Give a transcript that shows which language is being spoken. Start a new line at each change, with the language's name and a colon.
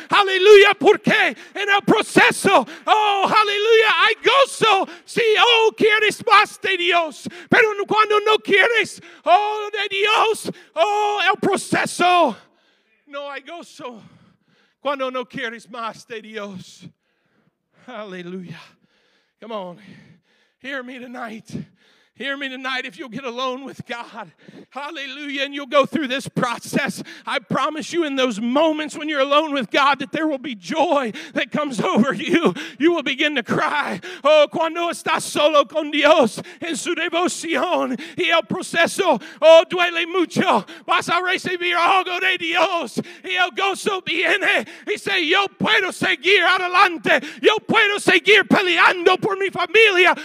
Spanish: Hallelujah, porque en el proceso, oh, hallelujah, hay gozo. Sí, oh, quieres más de Dios. Pero cuando no quieres, oh, de Dios, oh, el proceso no hay gozo cuando no quieres más de Dios.
English: Hallelujah. Come on. Hear me tonight. Hear me tonight if you'll get alone with God. Hallelujah. And you'll go through this process. I promise you in those moments when you're alone with God that there will be joy that comes over you. You will begin to cry.
Spanish: Oh, cuando estás solo con Dios en su devoción y el proceso, oh, duele mucho. Vas a recibir algo de Dios y el gozo viene. Y say, yo puedo seguir adelante. Yo puedo seguir peleando por mi familia.